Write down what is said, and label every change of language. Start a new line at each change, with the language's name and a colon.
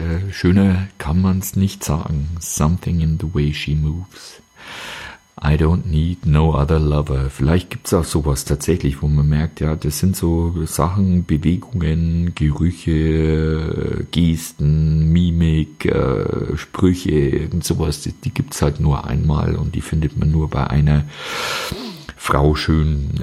German: Schöner kann man es nicht sagen.
English: Something in the way she moves. I don't need no other lover.
German: Vielleicht gibt es auch sowas tatsächlich, wo man merkt, ja, das sind so Sachen, Bewegungen, Gerüche, Gesten, Mimik, Sprüche, irgend sowas. Die gibt es halt nur einmal und die findet man nur bei einer Frau schön.